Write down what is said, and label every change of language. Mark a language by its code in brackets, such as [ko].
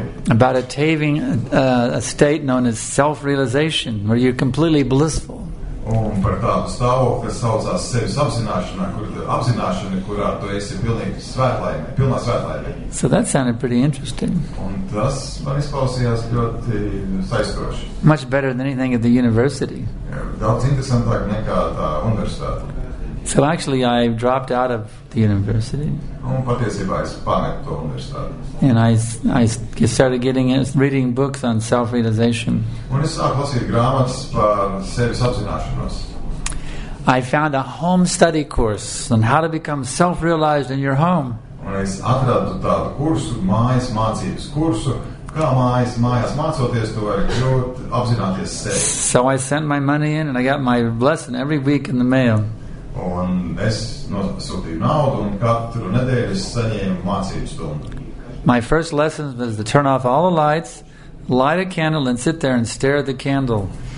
[en] About attaining a state known as self-realization, where you're completely blissful. [lv] Un par tādu stāvokli, kas saucās sevis apzināšana, kurā tu esi pilnīgi svētlaimē, pilnā svētlaimē. [en] So that sounded pretty interesting. [lv] Un tas man izklausījās ļoti saistoši. [en] Much better than anything at the university. [lv] Daudz interesantāk nekā tā universitāte. [en] So actually I dropped out of the university. [lv] Un patiesībā es pametu to universitāti. [en] And I started getting reading books on self-realization. [lv] Un es sāku lasīt grāmatas par sevis apzināšanos. [en] I found a home study course on how to become self-realized in your home. [lv] Un es atradu tādu kursu, mājas mācības kursu, kā mājas mācoties, tu vari kļūt apzināties sevi. [en] So I sent my money in and I got my lesson every week in the mail. [lv] Un es nosūtīju naudu un katru nedēļu es saņēmu mācību stundu. [en] My first lesson was to turn off all the lights, light a candle and sit there and stare at the candle.